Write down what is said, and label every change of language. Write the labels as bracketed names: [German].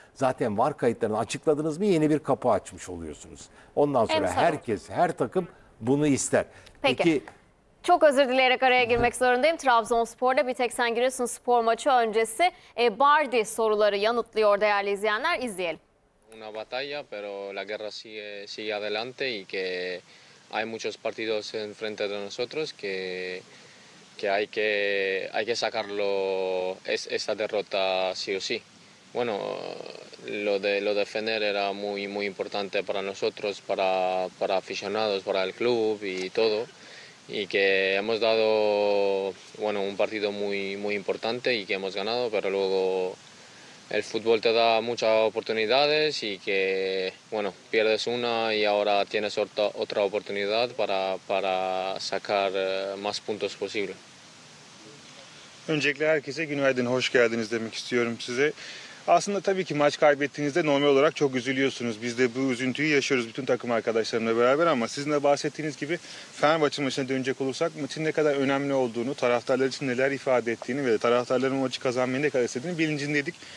[Turkish] Zaten VAR kayıtlarını açıkladınız mı yeni bir kapı açmış oluyorsunuz. Ondan sonra herkes, her takım bunu ister. Peki. Çok özür dileyerek araya girmek zorundayım. Trabzonspor'da bir tek sen giriyorsun spor maçı öncesi. Bardi soruları yanıtlıyor değerli izleyenler. İzleyelim. [Spanish] Una batalla, pero la guerra sigue adelante y que hay muchos partidos en frente de nosotros que hay que sacarlo esta derrota sí o sí. Bueno, lo de Fener era muy muy importante para nosotros, para aficionados, para el club y todo. Y que hemos dado bueno un partido muy muy importante y que hemos ganado, pero luego el fútbol te da muchas oportunidades y que bueno pierdes una y ahora tienes otra oportunidad para sacar más puntos posible. [Turkish] Öncelikle herkese günaydın, hoş geldiniz demek istiyorum size. Aslında tabii ki maç kaybettiğinizde normal olarak çok üzülüyorsunuz. Biz de bu üzüntüyü yaşıyoruz bütün takım arkadaşlarımla beraber ama sizin de bahsettiğiniz gibi Fenerbahçe maçına dönecek olursak maçın ne kadar önemli olduğunu, taraftarlar için neler ifade ettiğini ve taraftarların maçı kazanmayı ne kadar istediğini bilincindeydik.